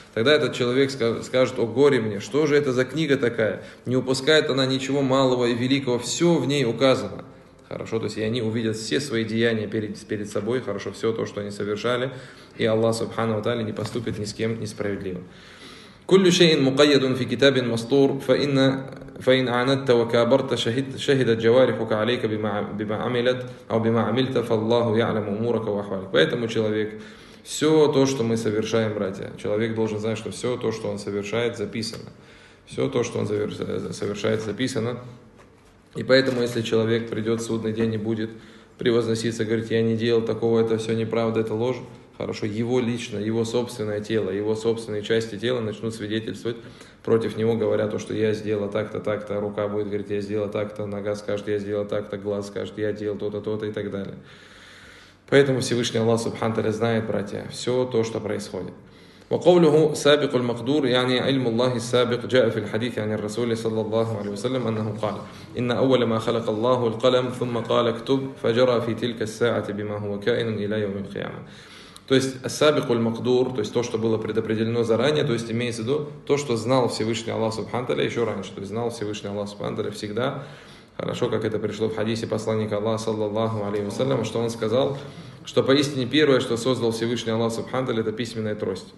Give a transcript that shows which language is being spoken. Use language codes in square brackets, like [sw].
[ru] Тогда этот человек скажет, «О горе мне, что же это за книга такая? Не упускает она ничего малого и великого, все в ней указано». Хорошо, то есть, и они увидят все свои деяния перед собой, хорошо, все то, что они совершали, и Аллах, Субхану ва Тааля, не поступит ни с кем несправедливо. [ar] كل شيء مقيد في كتاب مسطور فإن عاندت وكابرت شهدت جوارحك عليك بما عملت أو بما عملت فالله يعلم أمورك وأحوالك. [ru] Поэтому человек, все то, что мы совершаем, братья, человек должен знать, что все то, что он совершает, записано. Все то, что он совершает, записано. И поэтому, если человек придет в судный день и будет превозноситься, говорит, я не делал такого, это все неправда, это ложь. Хорошо, его лично, его собственное тело, его собственные части тела начнут свидетельствовать против него, говоря то, что я сделал так-то, так-то, рука будет говорить, я сделал так-то, нога скажет, я сделал так-то, глаз скажет, я делал то-то, то-то и так далее. Поэтому Всевышний Аллах Субхан Таала знает, братья, все то, что происходит. [ar] وقوله سابق المقدور يعني علم الله السابق جاء في الحديث عن الرسول صلى الله عليه وسلم أنه قال إن أول ما خلق الله القلم ثم قال اكتب فجرى في تلك الساعة بما هو كائن إلى يوم القيامة. [ru] То есть [ar] السابق المقدور, [ru] то есть то, что было предопределено заранее, то есть имеется в виду то, что знал Всевышний Аллах Субхан Таала еще раньше, то есть знал Всевышний Аллах Субхан Таала всегда. Хорошо, как это пришло в хадисе посланника Аллаха саллаллаху алейхи ва саллям, что он сказал, что поистине первое, что создал Всевышний Аллах Субхан Таала, это письменная трость.